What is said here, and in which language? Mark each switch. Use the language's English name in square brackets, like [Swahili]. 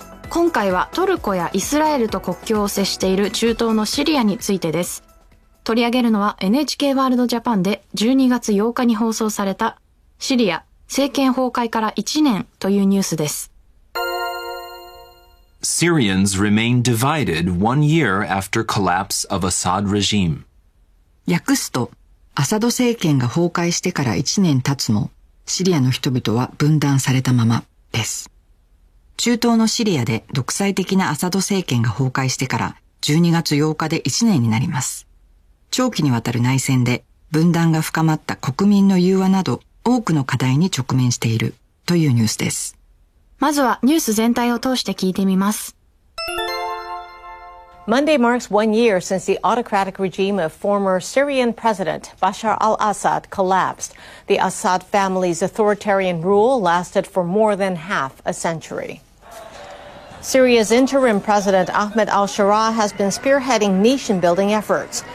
[Japanese] 今回はトルコやイスラエルと国境を接している中東のシリアについてです。取り上げるのは NHK ワールドジャパンで12月8日に放送されたシリア政権崩壊から1年というニュースです。 [English] Syrians remain divided one year after collapse of Assad regime. [Japanese] 訳すと、アサド政権が崩壊してから1年経つも、シリアの人々は分断されたままです。中東のシリアで独裁的なアサド政権が崩壊してから12月8日で1年になります。長期にわたる内戦で分断が深まった国民の融和など多くの課題に直面しているというニュースです。まずはニュース全体を通して聞いてみます。 [English] Monday marks one year since the autocratic regime of former Syrian president Bashar al-Assad collapsed. The Assad family's authoritarian rule lasted for more than half a century. Syria's interim president Ahmed al-Shara has been spearheading nation-building efforts.